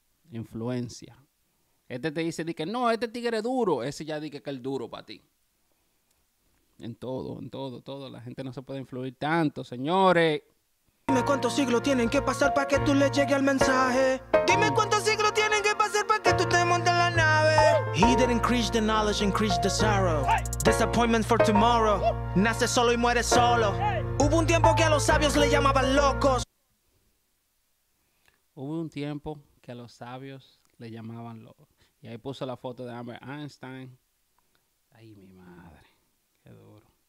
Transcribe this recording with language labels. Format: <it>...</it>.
<es>Influencia. Este te dice, di que no, este tigre es duro. Ese ya dice que es el duro para ti. En todo. La gente no se puede influir tanto, señores. Dime cuántos siglos tienen que pasar para que tú le llegue al mensaje. Dime cuántos siglos tienen que pasar para que tú te montes la nave.</es> <en>He that increased the knowledge, increased the sorrow. Disappointment for tomorrow.</en> <es>Nace solo y muere solo. Hubo un tiempo que a los sabios le llamaban locos. Hubo un tiempo que a los sabios le llamaban locos. Y ahí puso la foto de Albert Einstein. Ay, mi madre. Qué duro.</es>